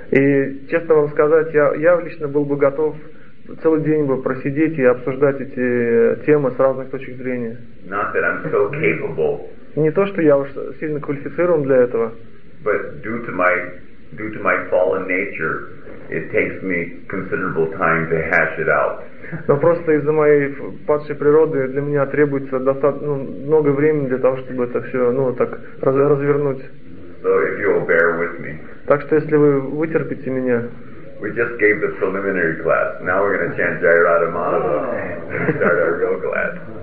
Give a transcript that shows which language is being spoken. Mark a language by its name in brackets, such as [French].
[Russian] И честно вам сказать, я лично был бы готов целый день бы просидеть и обсуждать эти темы с разных точек зрения. [English] Not that I'm so capable. [Russian] Не то, что я уж сильно квалифицирован для этого. [English] But due to my fallen nature, it takes me considerable time to hash it out. [Russian] Но просто из-за моей падшей природы для меня требуется достаточно много времени для того, чтобы это все, ну, так развернуть. [English] So if you'll bear with me. [Russian] Так что если вы вытерпите меня. [English] We just gave the preliminary class. Now we're going to chant Jai Radha Madhava and start our real class.